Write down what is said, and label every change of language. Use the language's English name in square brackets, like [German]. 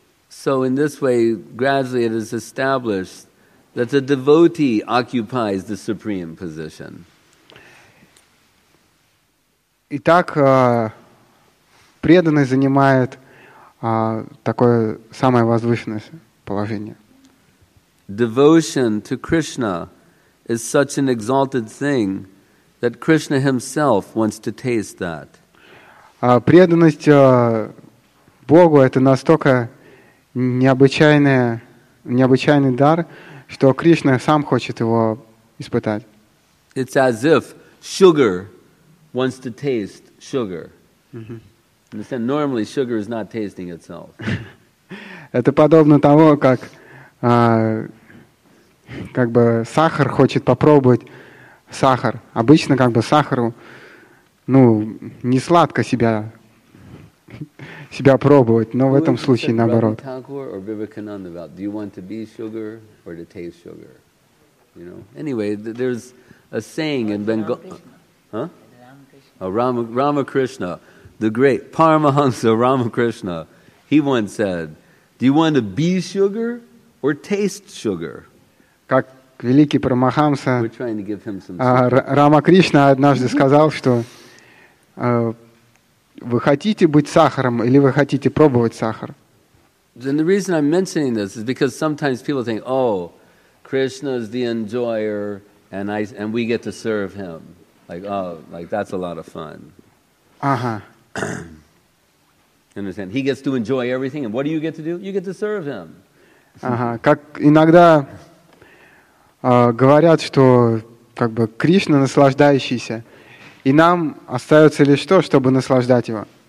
[English] So in this way, gradually it is established that the devotee occupies the supreme position. [Russian] Итак, преданный занимает такое самое возвышенное положение. [English] Devotion to Krishna is such an exalted thing that Krishna himself wants to taste that. [Russian] Преданность Богу — это настолько необычайный дар, что Кришна сам хочет его испытать. [English] It's as if sugar wants to taste sugar. Understand? Normally sugar is not tasting itself. [Russian] Это подобно тому, как как бы сахар хочет попробовать сахар. Обычно как бы сахару ну не сладко себя пробовать, но в этом случае наоборот. [English] Do you want to be sugar or to taste sugar? You know? Anyway, there's a saying in Bengali. Ramakrishna, the great Paramahansa Ramakrishna, he once said, "Do you want to be sugar or taste sugar?" [Russian] Как великий Парамахамса Рамакришна однажды сказал, что вы хотите быть сахаром или вы хотите пробовать сахар? [English] Then the reason I'm mentioning this is because sometimes people think, "Oh, Krishna is the enjoyer, and we get to serve him." Like, oh, like that's a lot of fun. Uh-huh. Understand? He gets to enjoy everything, and what do you get to do? You get to serve him. Uh-huh. [Russian] Как иногда говорят, что как бы Кришна наслаждающийся, и нам остается лишь то, чтобы наслаждать его.